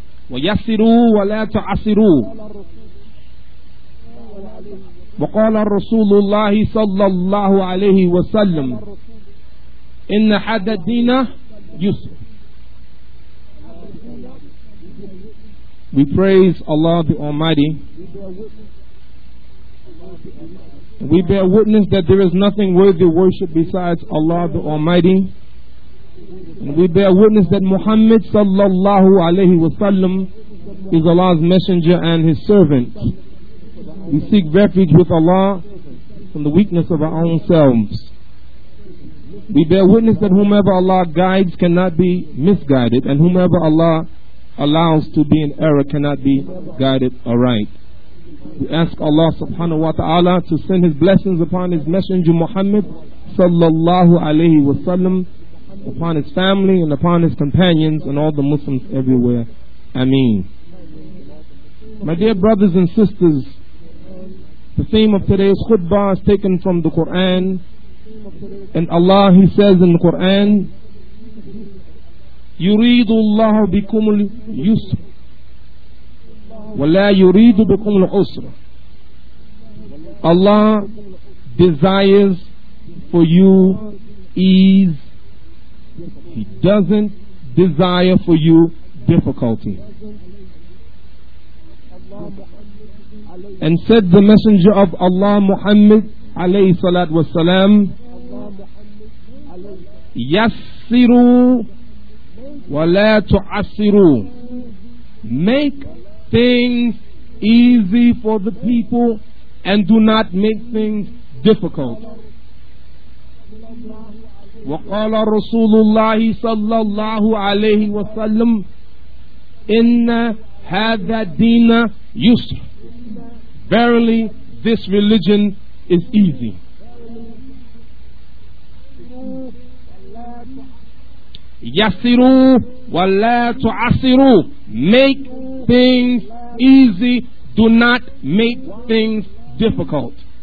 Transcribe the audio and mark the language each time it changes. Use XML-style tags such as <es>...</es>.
<ar>ويسروا ولا تعسروا وقال رسول الله صلى الله عليه وسلم إن حد الدين يسر.</ar> <en>We praise Allah the Almighty. We bear witness that there is nothing worthy of worship besides Allah the Almighty. And we bear witness that Muhammad sallallahu alayhi wa sallam is Allah's messenger and his servant. We seek refuge with Allah from the weakness of our own selves. We bear witness that whomever Allah guides cannot be misguided, and whomever Allah allows to be in error cannot be guided aright. We ask Allah subhanahu wa ta'ala to send his blessings upon his messenger Muhammad sallallahu alayhi wa sallam, upon his family and upon his companions and all the Muslims everywhere. Ameen. My dear brothers and sisters, the theme of today's khutbah is taken from the Quran. And Allah, he says in the Quran,</en> <ar>يُرِيدُ اللَّهُ بِكُمُ الْيُسْرِ وَلَا يُرِيدُ بِكُمُ الْعُسْرِ.</ar> <en>Allah desires for you ease. He doesn't desire for you difficulty. And said the messenger of Allah Muhammad alayhi salatu wasalam,</en> <ar>yassiru wa la tu'assiru,</ar> <en>make things easy for the people and do not make things difficult.</en> <ar>وقال رسول الله صلى الله عليه وسلم إن هذا الدين يسر.</ar> <en>Verily, this religion is easy.</en> <ar>يسروا ولا تعسروا,</ar> <en>make things easy, do not make things difficult.</en>